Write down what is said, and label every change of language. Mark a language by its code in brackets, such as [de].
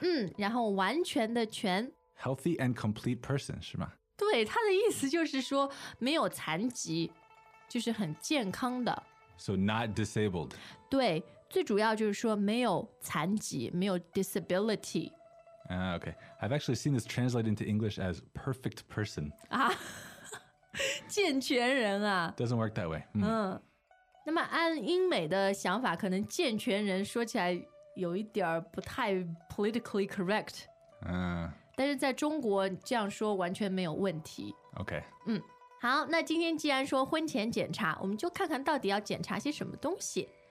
[zh] 嗯，然后完全的全。 [en] Healthy and complete person [zh] 是吗？对，他的意思就是说没有残疾，就是很健康的。 [en] So not disabled。 [zh] 对，最主要就是说没有残疾，没有 disability。 [en] OK， I've actually seen this translated into English as perfect person。 [zh] 啊，健全人啊。 [en] Doesn't work that way。 [zh] 嗯，那么按英美的想法，可能健全人说起来有一点不太 [en] politically correct。嗯， [zh] 但是在中国这样说完全没有问题。 [en] OK。 [zh] 嗯，好，那今天既然说婚前检查，我们就看看到底要检查些什么东西。